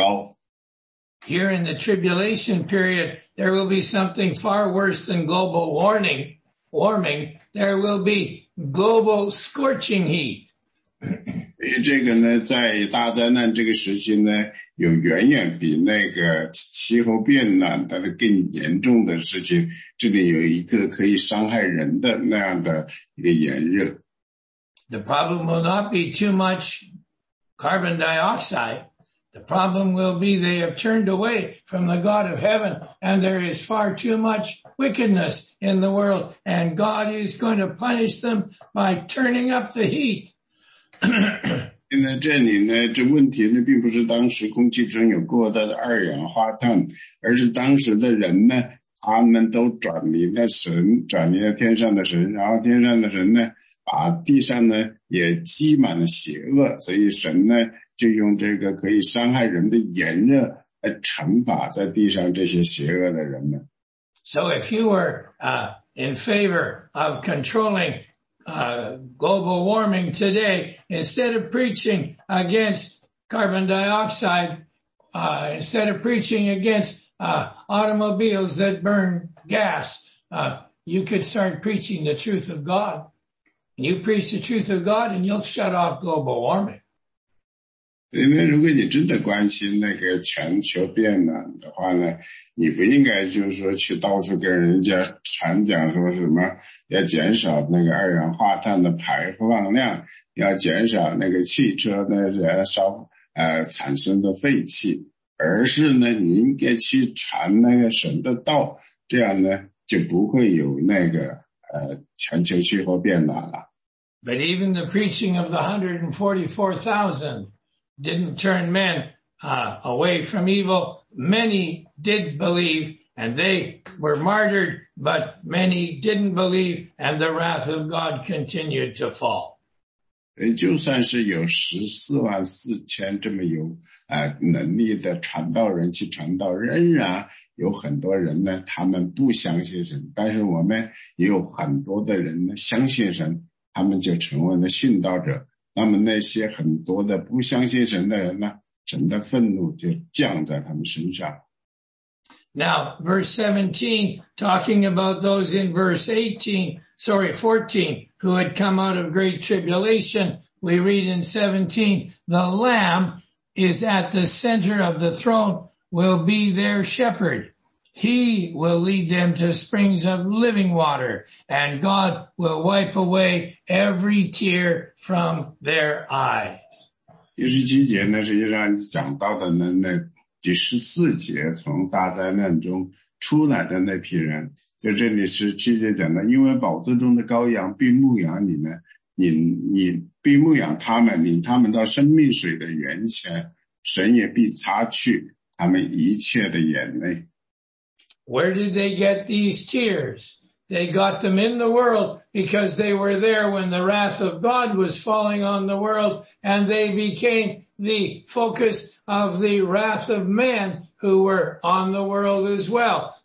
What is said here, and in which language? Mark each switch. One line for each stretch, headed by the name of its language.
Chinese: 他们说呢，如果在大气中有过多的二氧化碳呢，气温会变得很高。
English: Here in the tribulation period, there will be something far worse than global warming. There will be global scorching heat.
Chinese: 因为这个呢，在大灾难这个时期呢，有远远比那个气候变暖的更严重的事情。这里有一个可以伤害人的那样的一个炎热。
English: The problem will not be too much carbon dioxide. The problem will be they have turned away from the God of heaven, and there is far too much wickedness in the world, and God is going to punish them by turning up the heat.
Chinese: 现在这里呢，这问题呢，并不是当时空气中有过大的二氧化碳，而是当时的人呢，他们都转离了神，转离了天上的神，然后天上的神呢，把爬地上呢也积满了邪恶，所以神呢就用这个可以伤害人的炎热来惩罚在地上这些邪恶的人们。
English: So if you were, in favor of controlling, global warming today, instead of preaching against carbon dioxide, instead of preaching against, automobiles that burn gas, you could start preaching the truth of God. And you preach the truth of God and you'll shut off global warming.
Chinese: 因为如果你真的关心那个全球变暖的话呢，你不应该就是说去到处跟人家传讲说什么要减少那个二氧化碳的排放量，要减少那个汽车的烧产生的废气，而是呢你应该去传那个神的道，这样呢就不会有那个全球气候变暖了。
English: But even the preaching of the 144,000didn't turn men, away from evil. Many did believe and they were martyred, but many didn't believe and the wrath of God continued to fall.
Chinese: 就算是有144,000这么有能力的传道人去传道，仍然有很多人呢他们不相信神，但是我们也有很多的人呢相信神，他们就成为了殉道者。那么那些很多的不相信神的人呢，神的愤怒就降在他们身上。
English: Now, verse 17, talking about those in verse 18, sorry, 14, who had come out of great tribulation, we read in 17, the Lamb is at the center of the throne, will be their shepherd. He will lead them to springs of living water, and God will wipe away every tear from their eyes.
Chinese: 第十七节呢，实际上讲到的呢，那第十四节从大灾难中出来的那批人，就这里十七节讲的，因为宝座中的羔羊必牧养你们，你必牧养他们，领他们到生命水的源前，神也必擦去他们一切的眼泪。
English: Where did they get these tears? They got them in the world because they were there when the wrath of God was falling on the world, and they became the focus of the wrath of man who were on the world as well.